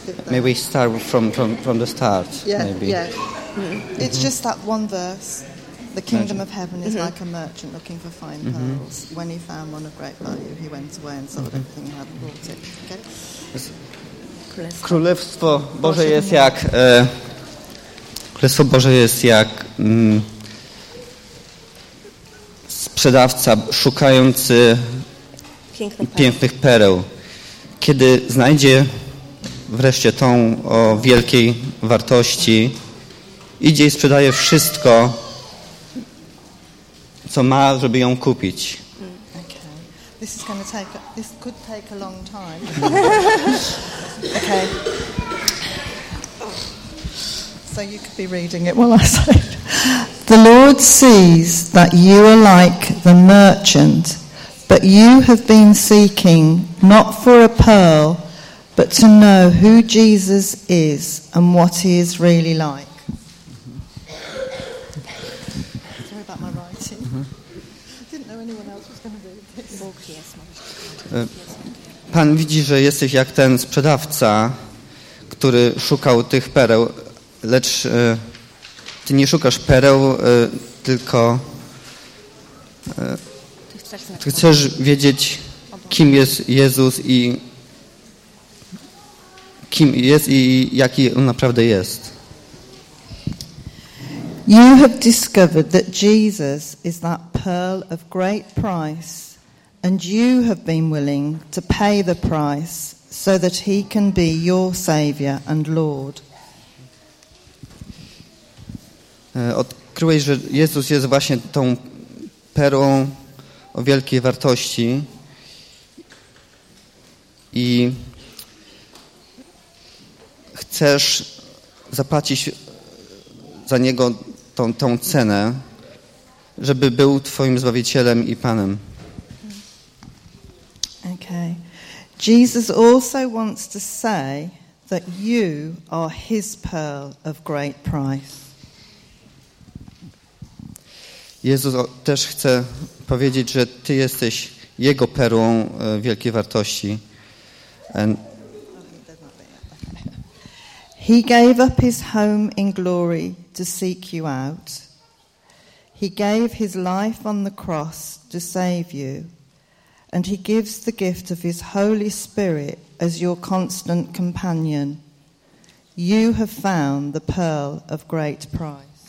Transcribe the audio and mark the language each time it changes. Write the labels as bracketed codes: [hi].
[en] May we start from the start? Yeah, maybe. Yeah. Mm-hmm. It's just that one verse. The kingdom of heaven is like a merchant looking for fine pearls. When he found one of great value, he went away and sold everything he had and bought it. Okay. [pl] Królestwo Boże jest jak Królestwo Boże jest jak sprzedawca szukający pięknych pereł. Kiedy znajdzie wreszcie tą o wielkiej wartości, idzie i sprzedaje wszystko, co ma, żeby ją kupić. [en] This is going to take. This could take a long time. Okay. So you could be reading it while I say it. The Lord sees that you are like the merchant, but you have been seeking not for a pearl, but to know who Jesus is and what he is really like. [pl] Pan widzi, że jesteś jak ten sprzedawca, który szukał tych pereł, lecz ty nie szukasz pereł, tylko ty chcesz wiedzieć, kim jest Jezus i kim jest i jaki on naprawdę jest. [en] You have discovered that Jesus is that pearl of great price. And you have been willing to pay the price so that he can be your savior and Lord. [pl] Odkryłeś, że Jezus jest właśnie tą perłą o wielkiej wartości i chcesz zapłacić za niego tą cenę, żeby był twoim zbawicielem i panem. [en] Okay. Jesus also wants to say that you are his pearl of great price. [pl] Jezus też chce powiedzieć, że ty jesteś jego perłą wielkiej wartości. [en] He gave up his home in glory to seek you out. He gave his life on the cross to save you. And he gives the gift of his Holy Spirit as your constant companion. You have found the pearl of great price.